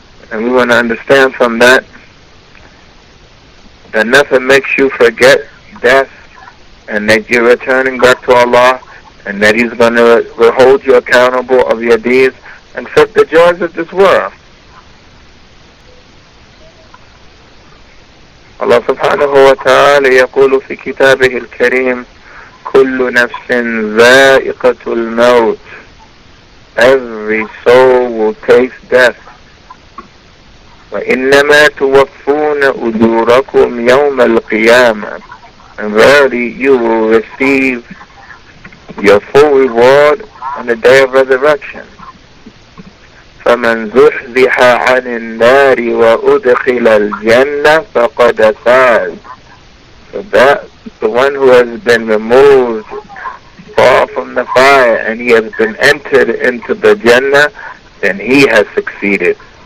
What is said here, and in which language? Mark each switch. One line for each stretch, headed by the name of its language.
English: And we want to understand from that that nothing makes you forget death and that you're returning back to Allah and that He's going to hold you accountable of your deeds except the joys of this world.
Arabic: الله سبحانه وتعالى يقول في كتابه الكريم كل نفس ذائقة الموت.
English: Every soul will taste death.
Arabic: وإنما توفون أجوركم يوم القيامة.
English: And verily you will receive your full reward on the day of resurrection.
Arabic: فَمَنْ زُحْزِحَ عَنِ النَّارِ وَأُدْخِلَ الْجَنَّةِ فَقَدْ فَازَ.
English: So that the one who has been removed far from the fire and he has been entered into the Jannah, then he has succeeded.